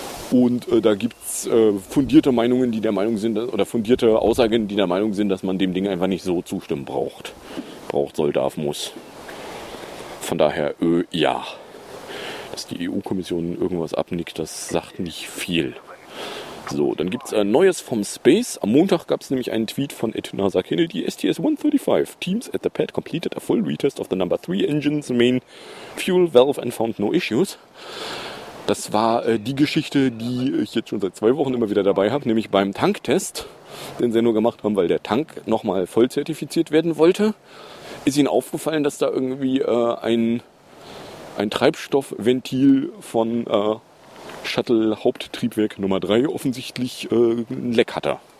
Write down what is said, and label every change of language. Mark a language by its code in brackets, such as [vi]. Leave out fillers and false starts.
[de] Und da gibt es fundierte Meinungen, die der Meinung sind, oder fundierte Aussagen, die der Meinung sind, dass man dem Ding einfach nicht so zustimmen braucht. Braucht, soll, darf, muss. Von daher, ja. Dass die EU-Kommission irgendwas abnickt, das sagt nicht viel. So, dann gibt es Neues vom Space. Am Montag gab es nämlich einen Tweet von Ed NASA Kennedy, STS-135. [en] Teams at the pad completed a full retest of the number 3 engines, main fuel valve and found no issues. [de] Das war die Geschichte, die ich jetzt schon seit 2 Wochen immer wieder dabei habe, nämlich beim Tanktest, den sie nur gemacht haben, weil der Tank nochmal voll zertifiziert werden wollte, ist ihnen aufgefallen, dass da irgendwie ein Treibstoffventil von Shuttle Haupttriebwerk Nummer 3 offensichtlich ein Leck hatte.